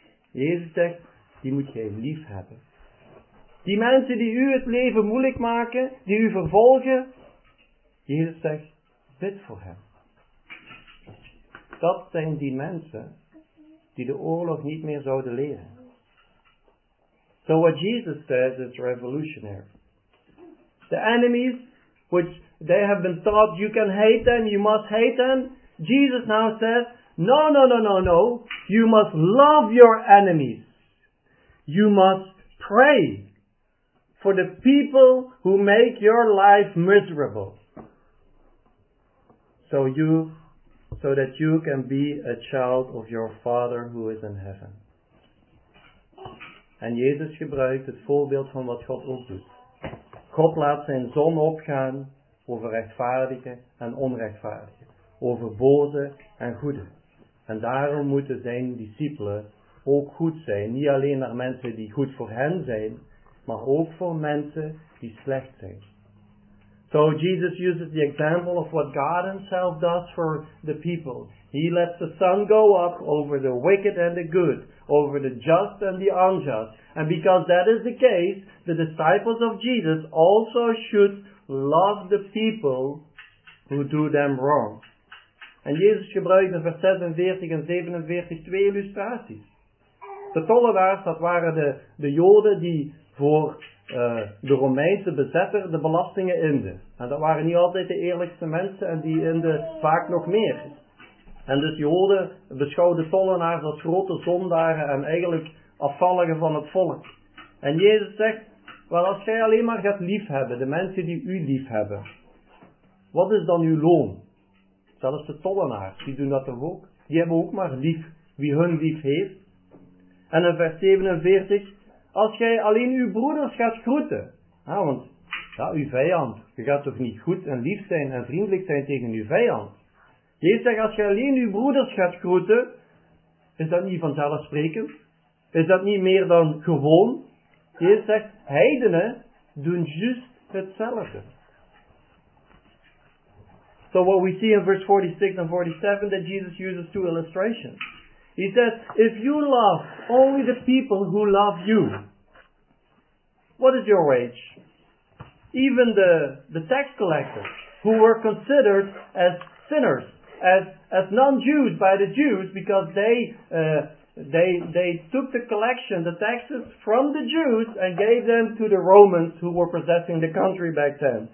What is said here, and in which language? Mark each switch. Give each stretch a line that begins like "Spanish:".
Dutch: Jezus zegt, die moet jij lief hebben. Die mensen die u het leven moeilijk maken, die u vervolgen, Jezus zegt, bid voor hen. Dat zijn die mensen die de oorlog niet meer zouden leren.
English: So what Jesus says is revolutionary. The enemies, which they have been taught, you can hate them, you must hate them. Jesus now says, no, you must love your enemies. You must pray for the people who make your life miserable. So that you can be a child of your Father who is in heaven.
Dutch: En Jezus gebruikt het voorbeeld van wat God ons doet. God laat zijn zon opgaan over rechtvaardigen en onrechtvaardigen, over boze en goede. En daarom moeten zijn discipelen ook goed zijn, niet alleen naar mensen die goed voor hen zijn, maar ook voor mensen die slecht zijn.
English: So Jesus uses the example of what God himself does for the people. He lets the sun go up over the wicked and the good, over the just and the unjust. And because that is the case, the disciples of Jesus also should love the people who do them wrong.
Dutch: En Jezus gebruikte vers 46 en 47 twee illustraties. De tollenaars, dat waren de Joden die voor de Romeinse bezetter de belastingen inden. En dat waren niet altijd de eerlijkste mensen en die inden vaak nog meer. En dus Joden beschouwden tollenaars als grote zondaren en eigenlijk afvalligen van het volk. En Jezus zegt, wel als jij alleen maar gaat liefhebben, de mensen die u liefhebben, wat is dan uw loon? Zelfs de tollenaars, die doen dat toch ook? Die hebben ook maar lief wie hun lief heeft. En in vers 47, als jij alleen uw broeders gaat groeten, want ja, uw vijand, je gaat toch niet goed en lief zijn en vriendelijk zijn tegen uw vijand. Jezus zegt, als jij alleen uw broeders gaat groeten, is dat niet vanzelfsprekend? Is dat niet meer dan gewoon? Jezus zegt, heidenen doen juist hetzelfde.
English: So what we see in verse 46 and 47 that Jesus uses two illustrations. He says, if you love only the people who love you, what is your wage? Even the tax collectors who were considered as sinners, as non-Jews by the Jews because they took the collection, the taxes from the Jews and gave them to the Romans who were possessing the country back then.